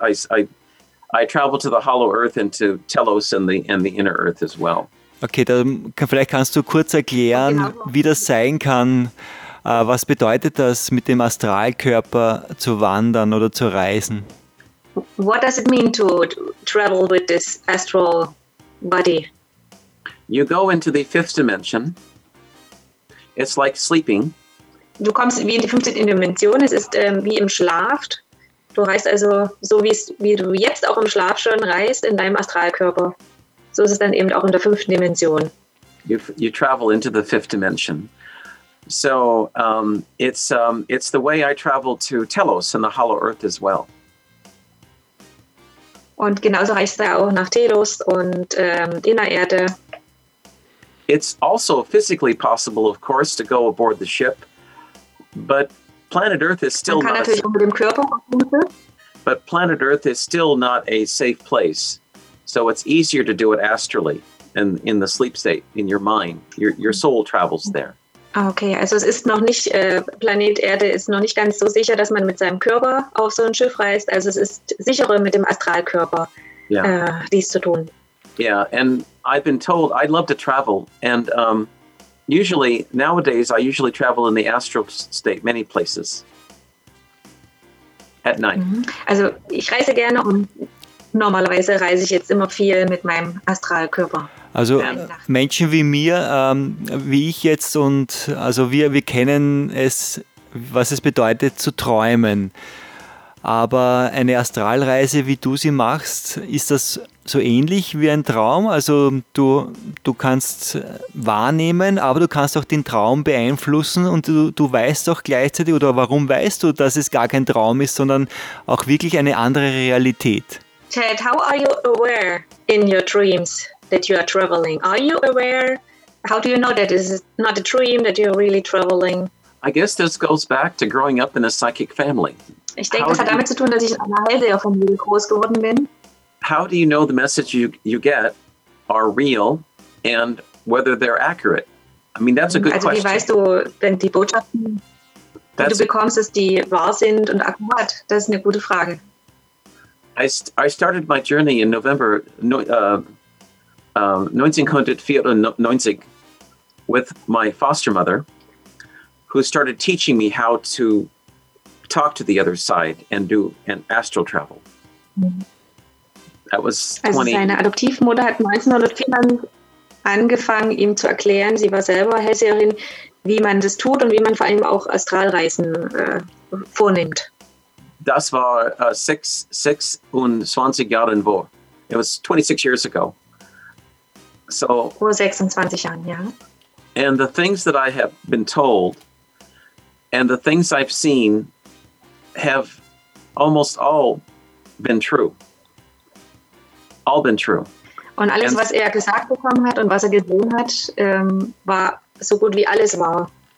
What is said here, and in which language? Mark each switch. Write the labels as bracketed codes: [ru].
[en] I travel to the Hollow Earth and to Telos and the Inner Earth as well. [de] Okay, dann vielleicht kannst du kurz erklären, wie das sein kann. Was bedeutet das, mit dem Astralkörper zu wandern oder zu reisen? [en] What does it mean to travel with this astral body? You go into the fifth dimension. It's like sleeping. [de] Du kommst wie in die fünfte Dimension. Es ist wie im Schlaf. Du reist also so, wie du jetzt auch im Schlaf schon reist, in deinem Astralkörper. So ist es dann eben auch in der fünften Dimension. [en] You travel into the fifth dimension. So it's the way I travel to Telos and the Hollow Earth as well. [de] Und genauso reist er auch nach Telos und Innererde. [en] It's also physically possible, of course, to go aboard the ship, but planet Earth is still [de] man kann natürlich [en] not a safe, [de] mit dem Körper. [en] But planet Earth is still not a safe place. So it's easier to do it astrally and in the sleep state, in your mind. Your soul travels there. [de] Okay, also es ist noch nicht, Planet Erde ist noch nicht ganz so sicher, dass man mit seinem Körper auf so ein Schiff reist. Also es ist sicherer, mit dem Astralkörper dies zu tun. [en] Yeah, and I've been told I'd love to travel. And usually, nowadays, I usually travel in the astral state many places at night. [de] Also ich reise gerne und normalerweise reise ich jetzt immer viel mit meinem Astralkörper. Also Menschen wie mir, wie ich jetzt und also wir kennen es, was es bedeutet zu träumen. Aber eine Astralreise, wie du sie machst, ist das so ähnlich wie ein Traum? Also du kannst wahrnehmen, aber du kannst auch den Traum beeinflussen und du weißt auch gleichzeitig, oder warum weißt du, dass es gar kein Traum ist, sondern auch wirklich eine andere Realität? [en] Ted, how are you aware in your dreams that you are traveling? Are you aware? How do you know that this is not a dream, that you're really traveling? I guess this goes back to growing up in a psychic family. [de] Ich denke, das hat damit zu tun, dass ich in einer Hellseherfamilie groß geworden bin. [en] How do you know the messages you get are real and whether they're accurate? I mean, that's a good question. [de] Also wie weißt du, wenn die Botschaften, die du bekommst, dass die wahr sind und akkurat? Das ist eine gute Frage. [en] I started my journey in November 1994 with my foster mother, who started teaching me how to talk to the other side and do an astral travel. That was 20. [de] Also seine Adoptivmutter hat 1994 angefangen, ihm zu erklären. Sie war selber Hellseherin, wie man das tut und wie man vor allem auch Astralreisen vornimmt. Das war 26 Jahre vor. [en] It was 26 years ago. So, [de] vor 26 Jahren, ja. [en] And the things that I have been told and the things I've seen have almost all been true. All been true. [de] Und alles, was er gesagt bekommen hat und was er gesehen hat, war so gut wie alles wahr.